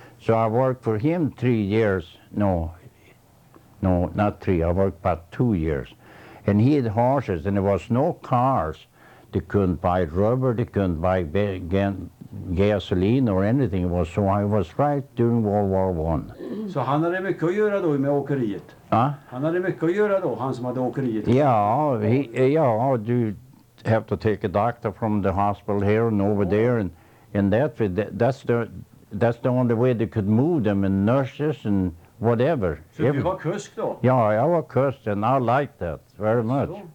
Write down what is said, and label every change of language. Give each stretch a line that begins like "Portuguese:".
English: So I worked for him 3 years. No, not three. I worked about 2 years. And he had horses, and there was no cars. They couldn't buy rubber, they couldn't buy gasoline or anything. So I was right during World War One.
Swedish: Så han hade mycket att göra då med åkeriet? Ja. Han hade mycket att göra då, han som hade åkeriet? Ja, du
English: have to take a doctor from the hospital here and over there, and that's the only way they could move them, and nurses and whatever.
Swedish: Så du var kusk då? Ja, jag var kusk,
English: and I liked that very much.